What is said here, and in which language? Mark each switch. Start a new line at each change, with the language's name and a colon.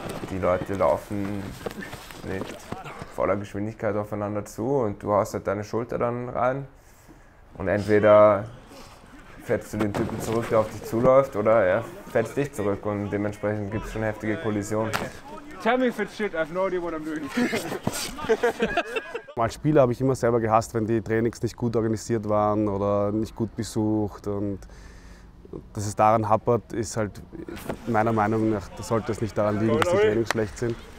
German: Die Leute laufen nicht. Voller Geschwindigkeit aufeinander zu und du haust halt deine Schulter dann rein und entweder fällst du den Typen zurück, der auf dich zuläuft, oder er fällt dich zurück und dementsprechend gibt es schon heftige Kollisionen.
English: Tell me if it's shit, I have no idea what I'm doing.
German: Als Spieler habe ich immer selber gehasst, wenn die Trainings nicht gut organisiert waren oder nicht gut besucht, und dass es daran happert, ist halt meiner Meinung nach, da sollte es nicht daran liegen, dass die Trainings schlecht sind.